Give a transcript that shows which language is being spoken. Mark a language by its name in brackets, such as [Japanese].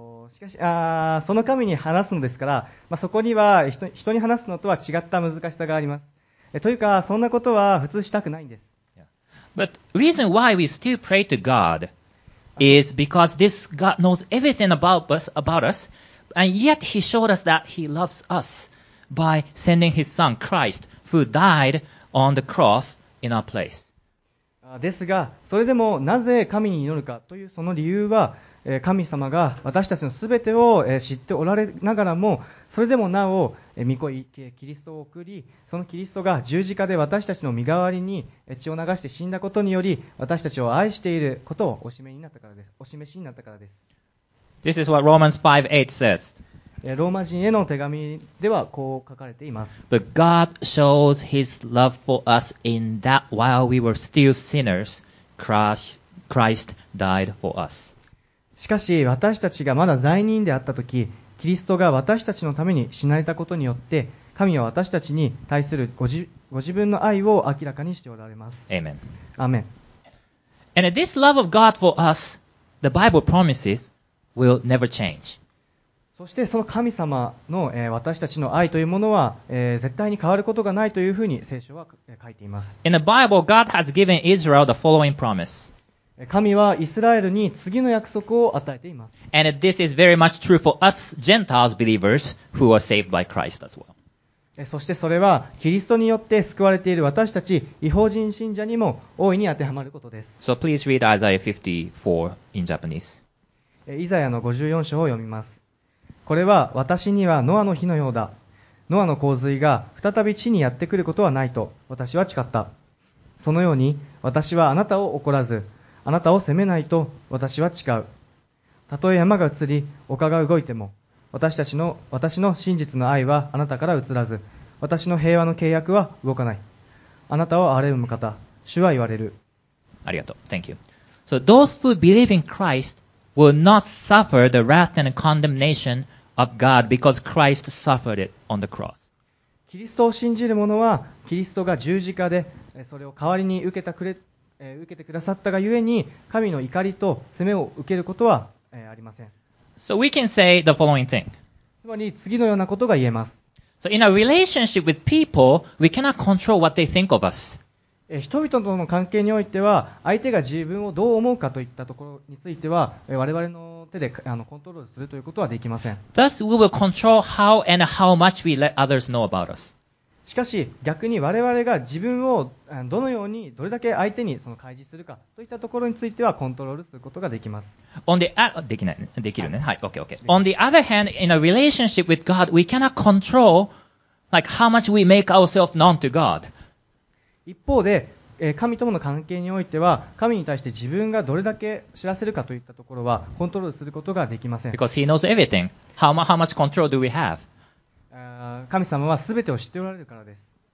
[Japanese] しかし、その神に話すのですから、まあ、そこには人に話すのとは違った難しさがあります。というか、そんなことは普通したくないんです。 [English] But reason why we still pray to God is because this God knows everything about us, and yet He showed us that He loves us by sending His Son Christ, who died on the cross in our place. [Japanese] ですが、それでもなぜ神に祈るかというその理由は、神様が私たちのすべてを知っておられながらも、それでもなお御子キリストを送り、そのキリストが十字架で私たちの身代わりに血を流して死んだことにより、私たちを愛していることをお示しになったからです。 [English] This is what Romans 5:8 says. [Japanese] ローマ人への手紙ではこう書かれています。 [English] But God shows His love for us in that while we were still sinners, Christ died for us. [Japanese] しかし私たちがまだ罪人であったとき、キリストが私たちのために死なれたことによって、神は私たちに対するご自分の愛を明らかにしておられます。 [English] Amen. Amen. And this love of God for us, the Bible promises, will never change. [Japanese] そしてその神様の私たちの愛というものは絶対に変わることがないというふうに聖書は書いています。 [English] In the Bible, God has given Israel the following promise. [Japanese] 神はイスラエルに次の約束を与えています。 [English] And this is very much true for us Gentiles believers who are saved by Christ as well. [Japanese] そしてそれはキリストによって救われている私たち異邦人信者にも大いに当てはまることです。 [English] So please read Isaiah 54 in Japanese. [Japanese] イザヤの54章を読みます。これは私にはノアの日のようだ。ノアの洪水が再び地にやってくることはないと私は誓った。そのように私はあなたを怒らず、あなたを責めないと私は誓う。たとえ山が移り、丘が動いても、私の真実の愛はあなたから移らず、私の平和の契約は動かない。あなたを憐れむ方、主は言われる。ありがとう。 [English] Thank you. So those who believe in Christ will not suffer the wrath and condemnation of God because Christ suffered it on the cross. [Japanese] キリストを信じる者は、キリストが十字架でそれを代わりに受けてくださったがゆえに神の怒りと責めを受けることはありません。 [English] So we can say the following thing. [Japanese] つまり次のようなことが言えます。 [English] So in a relationship with people, we cannot control what they think of us. [Japanese] 人々との関係においては、相手が自分をどう思うかといったところについては、我々の手でコントロールするということはできません。 [English] Thus we will control how and how much we let others know about us. [Japanese] しかし逆に我々が自分をどのようにどれだけ相手にその開示するかといったところについてはコントロールすることができます。できない、できるね。はい、OK、OK。 [English] On the other hand, in a relationship with God, we cannot control like how much we make ourselves known to God. [Japanese] 一方で、神との関係においては神に対して自分がどれだけ知らせるかといったところはコントロールすることができません。 [English] Because He knows everything. How much control do we have? [Japanese] 神様はすべてを知っておられるからです。